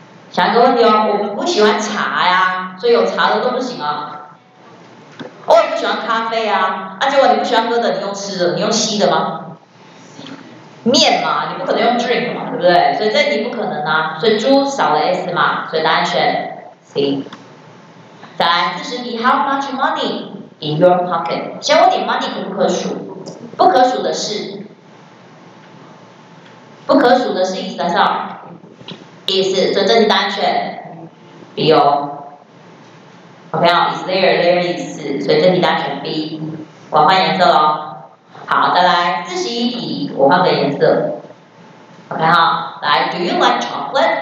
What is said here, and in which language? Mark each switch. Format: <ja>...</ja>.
<zh>想一个问题哦，我们不喜欢茶呀，所以有茶的都不行啊。我也不喜欢咖啡啊，啊，结果你不喜欢喝的，你用吃的，你用吸的吗？面嘛，你不可能用 drink 嘛，对不对？所以这题不可能啊，所以猪少了 s 嘛，所以答案选 C。在40题</zh> <en>，How much money？ In your pocket，</en> <zh>先问你 money 可不可数？不可数的是，不可数的是 is 还是 are？ Is， 所以这题答案选 B 哦。 OK 啊 ，is there， there is， 所以这题答案选 B。我换颜色喽。好，再来自习一题，我换个颜色。OK 哈，来 ，</zh> <en>Do you like chocolate？</en>